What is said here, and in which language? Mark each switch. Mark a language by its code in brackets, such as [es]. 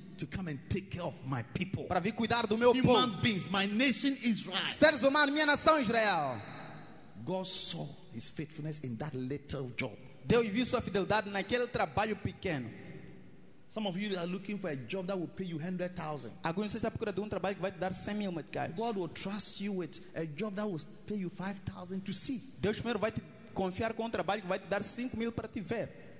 [en] To come and take care of my people. [pt] Para vir cuidar do meu [en] human [pt] povo. [en] Human beings, my nation Israel. [pt] Seres humanos, minha nação Israel. [en] God saw his faithfulness in that little job. [pt] Deus viu sua fidelidade naquele trabalho pequeno. [en] Some of you are looking for a job that will pay you 100,000. [pt] Alguns estão procurando um trabalho que vai te dar 100 mil meticais. [en] God will trust you with a job that will pay you 5,000 to see. [pt] Deus primeiro vai te confiar com um trabalho que vai te dar 5 mil para te ver.